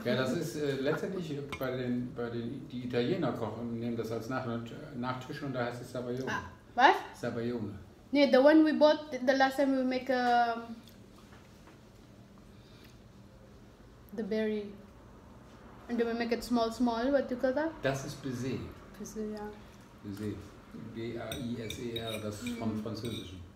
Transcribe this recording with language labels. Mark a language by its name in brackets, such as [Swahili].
[German] Ja, das ist letztendlich die Italiener kochen, nehmen das als Nachtisch und da heißt es Sabayone. Ah, was? Sabayone. Nee, [English] the one we bought the last time we make the berry. And then we make it small, what do you call that? [German] Das ist Baiser. Baiser, ja. Baiser. B-A-I-S-E-R, das ist vom Französischen.